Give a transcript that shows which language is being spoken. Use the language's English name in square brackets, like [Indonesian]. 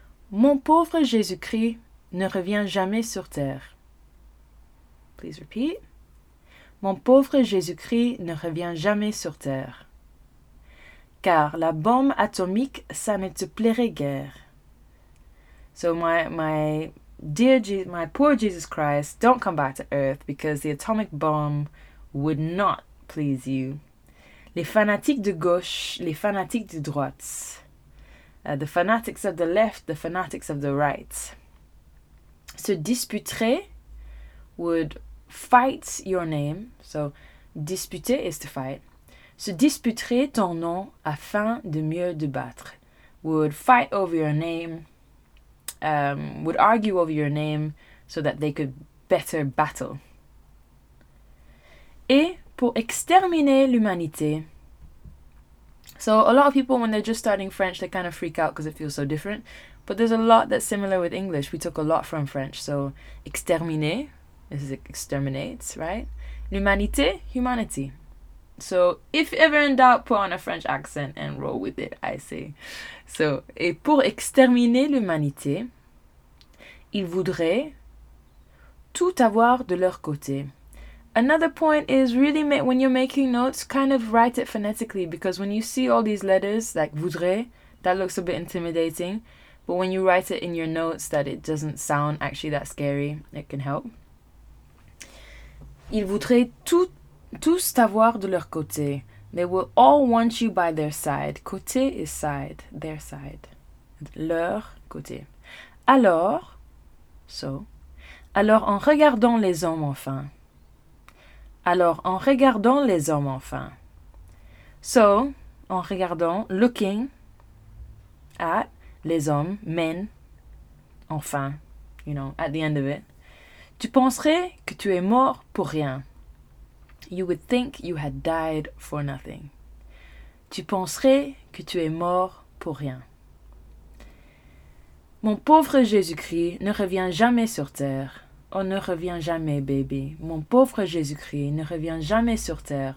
[French] Mon pauvre Jésus-Christ ne revient jamais sur terre. [English] Please repeat. [French] Mon pauvre Jésus-Christ ne revient jamais sur terre. Car la bombe atomique, ça ne te plairait guère. [English] So my poor Jesus Christ, don't come back to Earth because the atomic bomb would not please you. [French] Les fanatiques de gauche, les fanatiques de droite. [English] The fanatics of the left, the fanatics of the right. [French] Se disputerait [English] would fight your name. So, disputer is to fight. [French] Se disputerait ton nom afin de mieux te battre. [English] Would fight over your name. Would argue over your name so that they could better battle. [French] Et pour exterminer l'humanité. [English] So a lot of people, when they're just starting French, they kind of freak out because it feels so different. But there's a lot that's similar with English. We took a lot from French. So exterminer, this is exterminate, right? L'humanité, humanity. So if ever in doubt, put on a French accent and roll with it, I say. [French] So, et pour exterminer l'humanité, ils voudraient tout avoir de leur côté. [English] Another point is really when you're making notes, kind of write it phonetically because when you see all these letters, like voudrait, that looks a bit intimidating. But when you write it in your notes that it doesn't sound actually that scary, it can help. [French] Ils voudraient tous avoir de leur côté. [English] They will all want you by their side. Côté is side, their side. [French] Leur côté. Alors... So, alors en regardant les hommes enfin. Alors en regardant les hommes enfin. So, en regardant, looking at les hommes, men, enfin, you know, at the end of it. Tu penserais que tu es mort pour rien. [English] You would think you had died for nothing. [French] Tu penserais que tu es mort pour rien. Mon pauvre Jésus-Christ ne revient jamais sur terre. Oh, ne revient jamais, baby. Mon pauvre Jésus-Christ ne revient jamais sur terre.